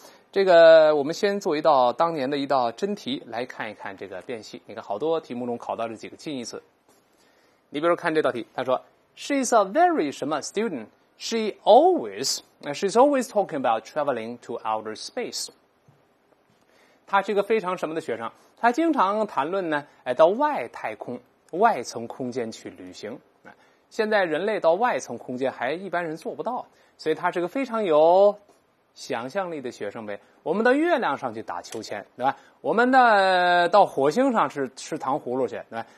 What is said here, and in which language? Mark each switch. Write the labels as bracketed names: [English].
[Chinese] 这个我们先做一道当年的一道真题来看一看这个辨析。你看好多题目中考到这几个近义词，你比如看这道题，他说。 [English] She's a very [Chinese] 什么 [English] student. She's always talking about traveling to outer space. [Chinese] 她是一个非常什么的学生，她经常谈论呢，到外太空、外层空间去旅行。现在人类到外层空间还一般人做不到，所以他是个非常有想象力的学生呗。我们到月亮上去打秋千，对吧？我们呢到火星上是吃糖葫芦去，对吧？